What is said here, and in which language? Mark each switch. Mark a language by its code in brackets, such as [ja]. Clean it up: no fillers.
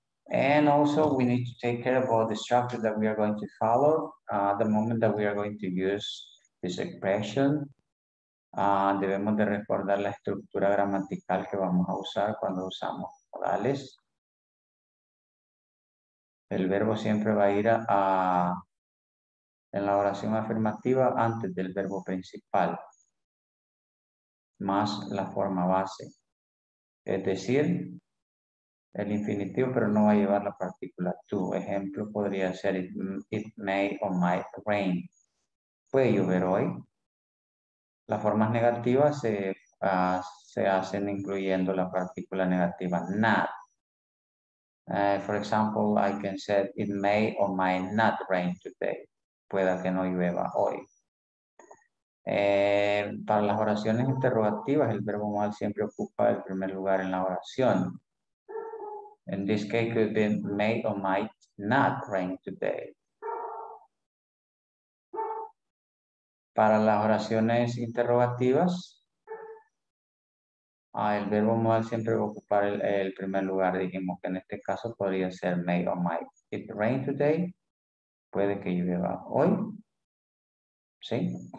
[en] And also, we need to take care about the structure that we are going to follow the moment that we are going to use this expression. [es] Debemos de recordar la estructura gramatical que vamos a usar cuando usamos modales. El verbo siempre va a ir en la oración afirmativa antes del verbo principal, más la forma base. Es decir, el infinitivo, pero no va a llevar la partícula to. Ejemplo podría ser, [en] it may or might rain. [es] ¿Puede llover hoy? Las formas negativas se hacen incluyendo la partícula negativa not. [en] For example, I can say it may or might not rain today. [es] Pueda que no llueva hoy. Para las oraciones interrogativas, el verbo modal siempre ocupa el primer lugar en la oración. [en] In this case, it could be may or might not rain today. [es] Para las oraciones interrogativas, el verbo modal siempre va a ocupar el primer lugar. Dijimos que en este caso podría ser [en] may or might it rain today. [es] Puede que llueva hoy. ¿Sí?